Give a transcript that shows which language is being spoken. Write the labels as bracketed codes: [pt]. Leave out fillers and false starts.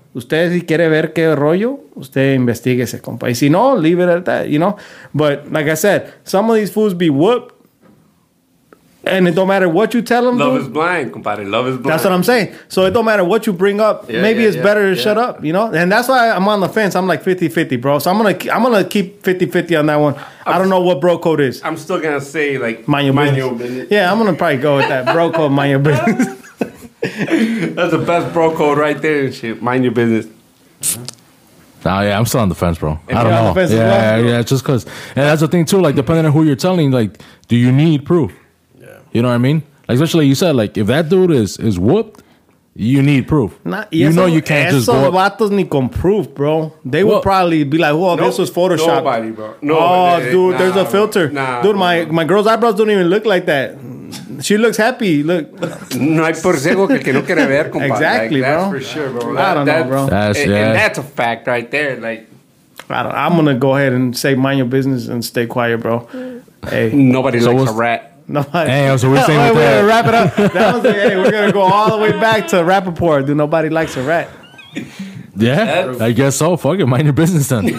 [es] Usted si quiere ver qué rollo, usted investigue ese, compa. Y si no, [en] leave it at that, you know? But like I said, some of these fools be whooped. And it don't matter what you tell them. Love, dude, is blind, compadre. Love is blind. That's what I'm saying. So it don't matter what you bring up. Yeah, maybe it's better to shut up, you know? And that's why I'm on the fence. I'm like 50-50, bro. So I'm gonna keep 50-50 on that one. I don't know what bro code is. I'm still going to say, like, mind your business. Yeah, I'm going to probably go with that. Bro code, mind your business. That's the best bro code right there and shit. Mind your business. Nah, yeah, I'm still on the fence, bro. I don't know. Just because. And that's the thing, too. Like, depending on who you're telling, like, do you need proof? You know what I mean? Like, especially you said, like, if that dude is whooped, you need proof. You can't just go up. [es] Vatos ni con [en] proof, bro. They will probably be like, "Oh, nope, this was Photoshop." Nobody, bro. No, oh, dude, there's a filter. Nah, dude, my girl's eyebrows don't even look like that. She looks happy. Look. [es] No hay por ciego que no quiere ver, compadre. [en] Exactly, like, bro. That's for sure, bro. I don't know, bro. And that's a fact right there. Like, I'm going to go ahead and say, mind your business and stay quiet, bro. Hey, nobody likes a rat. Nobody. Damn, so we're saying going to wrap it up. That was we're going to go all the way back to Rappaport. Do nobody likes a rat? Yeah, I guess so. Fuck it. Mind your business then.